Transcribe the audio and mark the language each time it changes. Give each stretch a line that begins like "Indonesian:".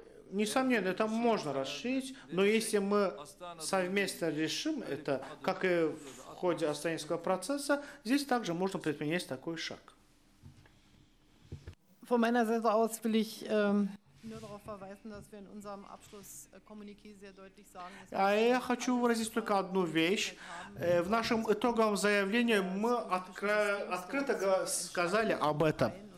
Russian: Несомненно, это можно расширить, но если мы совместно решим это, как и в ходе астанинского процесса, здесь также можно предпринять такой шаг.
German: Von meiner Seite aus will ich nur darauf verweisen, dass wir in unserem Abschlusskommuniqué sehr deutlich sagen, dass wir.
Russian: Я хочу выразить только одну вещь. В нашем итоговом заявлении мы открыто сказали об этом.